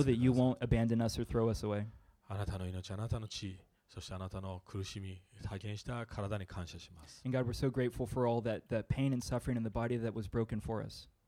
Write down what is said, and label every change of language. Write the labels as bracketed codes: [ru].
[en] ってください。We know that you won't abandon us or throw us away. [ja] あなたの命、あなたの血、そしてあなたの苦しみ、体験した体に感謝します。 [en] And God, we're so grateful for all that, that pain and suffering in the body that was broken for us.